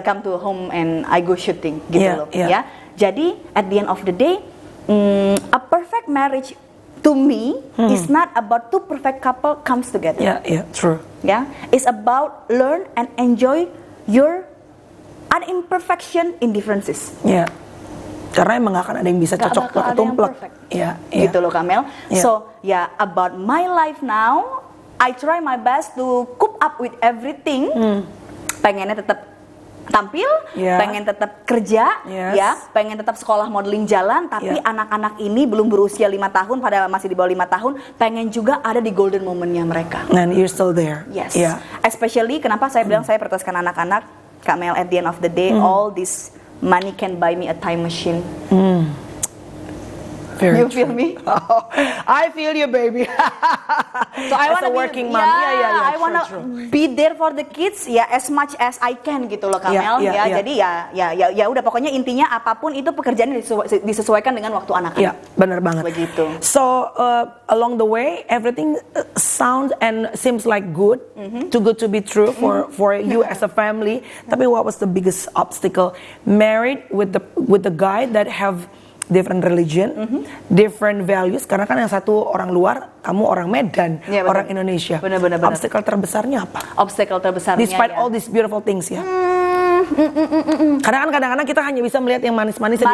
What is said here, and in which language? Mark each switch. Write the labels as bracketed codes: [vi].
[en] Come to home and I go shooting [id] gitu loh. Ya. Jadi [en] at the end of the day, a perfect marriage to me is not about two perfect couple comes together. True. Yeah, it's about learn and enjoy your imperfection in differences. [id] Yeah, karena emang gak akan ada yang bisa cocok atau tumplek. Gitu loh, Kamel. [en] So about my life now, I try my best to keep up with everything. [id] Pengennya tetap tampil, pengen tetap kerja, pengen tetap sekolah modeling jalan, tapi anak-anak ini belum berusia 5 tahun, padahal masih di bawah 5 tahun, pengen juga ada di golden momennya mereka. [en] And you're still there. Yes. Especially [id] kenapa saya bilang saya prioritaskan anak-anak, [en] Kak Mel, at the end of the day, all this money can buy me a time machine. Mm. Very you true. Feel me? Oh, I feel you, baby. So I want a working mom. Yeah, I want to be there for the kids, as much as I can [id] gitu loh, [en] Kamel. Yeah. [id] Jadi ya udah pokoknya intinya apapun itu pekerjaan disesuaikan dengan waktu anak-anak. Iya, benar banget. Begitu. [en] So along the way everything sounds and seems like good, mm-hmm. too good to be true for you as a family. [id] Tapi [en] what was the biggest obstacle? Married with the guy that have different religion, mm-hmm. different values. [id] Karena kan yang satu orang luar, kamu orang Medan, yeah, orang Indonesia. Benar-benar. Obstacle terbesarnya apa? Obstacle terbesarnya. [en] Despite all these beautiful things, ya. [id] Karena kan kadang-kadang kita hanya bisa melihat yang manis-manis di luar.